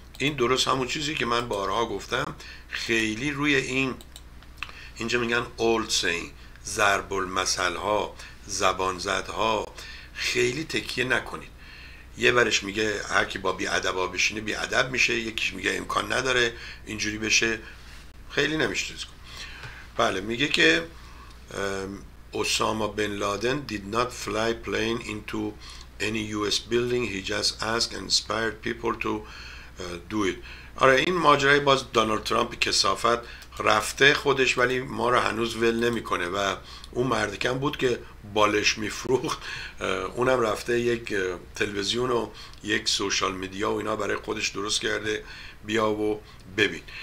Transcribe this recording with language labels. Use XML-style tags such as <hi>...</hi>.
<fa>این درست همون چیزی که من بارها گفتم، خیلی روی این اینجا میگن</fa> <en>old saying،</en> <fa>ضرب المثل ها، زبان زد ها خیلی تکیه نکنید. یه برش میگه هر کی با بی ادب ها بشینه بی ادب میشه، یکیش میگه امکان نداره اینجوری بشه، خیلی نمیشتیز کن. بله میگه که اسامه بن لادن</fa> <en>did not fly plane into any US building, he just asked and inspired people to do it.</en> <fa>آره این ماجرای باز دونالد ترامپ کثافت رفته خودش، ولی ما رو هنوز ول نمیکنه. و اون مردکم بود که بالش میفروخت، اونم رفته یک تلویزیون و یک سوشال میدیا و اینا برای خودش درست کرده، بیا و ببین.</fa>